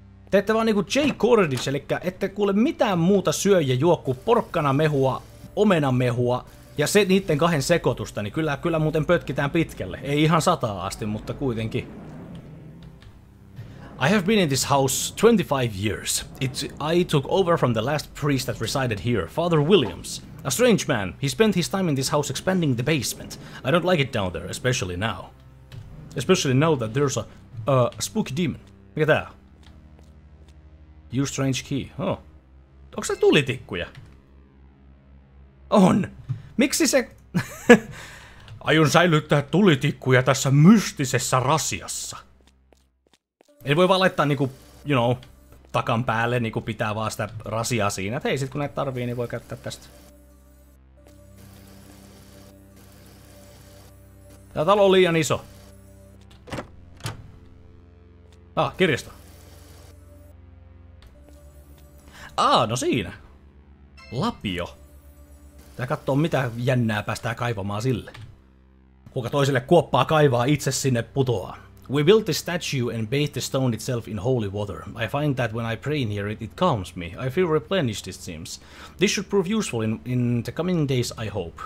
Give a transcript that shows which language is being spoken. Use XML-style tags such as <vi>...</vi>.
<fi>Teette vaan niinku Jay Cordish, eli ette kuule mitään muuta syö ja juo kuin porkkana mehua, omena mehua ja se niitten kahden sekoitusta, niin kyllä muuten pötkitään pitkälle. Ei ihan sataa asti, mutta kuitenkin.</fi> <en>I have been in this house 25 years. I took over from the last priest that resided here, Father Williams. A strange man. He spent his time in this house expanding the basement. I don't like it down there, especially now. Especially now that there's a spooky demon.</en> <fi>Mikä tää?</fi> <en>Your strange key. Oh.</en> <fi>Onko se tulitikkuja? On. Miksi se... Aion säilyttää tulitikkuja tässä mystisessä rasiassa. Eli voi vaan laittaa niinku,</fi> <en>you know,</en> <fi>takan päälle, niinku pitää vaan sitä rasiaa siinä, että hei, sit kun näitä tarvii, niin voi käyttää tästä. Tää talo on liian iso. Ah, kirjasto. Ah, no siinä. Lapio. Tää kattoo, mitä jännää päästään kaivamaan sille. Kuka toiselle kuoppaa kaivaa itse sinne putoaa.</fi> <en>We built the statue and bathed the stone itself in holy water. I find that when I pray in here, it calms me. I feel replenished, it seems. This should prove useful in the coming days, I hope.</en>